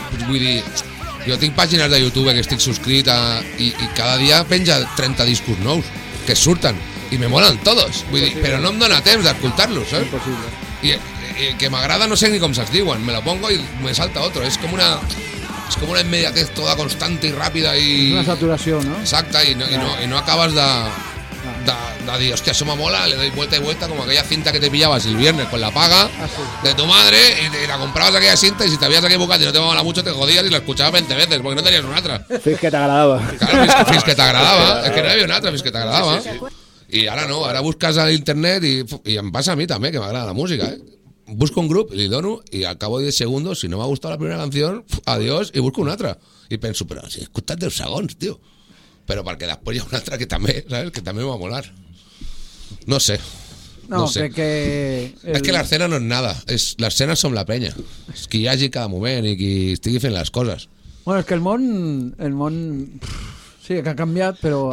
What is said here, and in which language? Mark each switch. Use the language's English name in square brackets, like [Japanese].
[Catalan] Vull dir, jo tinc pàgines de YouTube que estic subscrit i cada dia penja 30 discos nous que surten i me molen [Spanish] todos, [Catalan] vull dir, però no em dona temps d'escoltar-los, eh? Impossible. I que m'agrada no sé ni com se'ls diuen, [Spanish] me lo pongo [Catalan] i [Spanish] me salta otro, [Catalan] és com una... És com una [Spanish] immediatez toda constante [Catalan] i ràpida i... Una saturació, no? Exacte, i no acabes de... De dir, hòstia, això [Spanish] me mola, le doy vuelta y vuelta, [Catalan] com aquella cinta que [Spanish] te pillabas el viernes con la paga de tu madre y la comprabas aquella cinta y si te habías equivocado y no te mola mucho, te jodías y la escuchabas 20 veces porque no tenías una otra. [Catalan] Fins que t'agradava. Claro, fins que t'agradava. [Spanish] Es que no había una otra, [Catalan] fins que t'agradava. [Spanish] Y ahora no, ahora buscas a internet y em pasa a mí también, que me agrada la música, ¿eh? [Catalan] Busco un grup, li dono, i [Spanish] al cabo de 10 segundos, si no me ha gustado la primera canción, adiós, y busco una otra. Y penso, pero si escuchas 10 segons, tío. [Catalan] Però perquè després hi ha una altra que també, ¿sabes? Que també va molar. No sé. No sé. Crec que... És que l'escena no és nada. L'escena som la penya. És qui hi hagi cada moment i qui estigui fent les coses. Bueno, és que el món... Sí, que ha canviat, però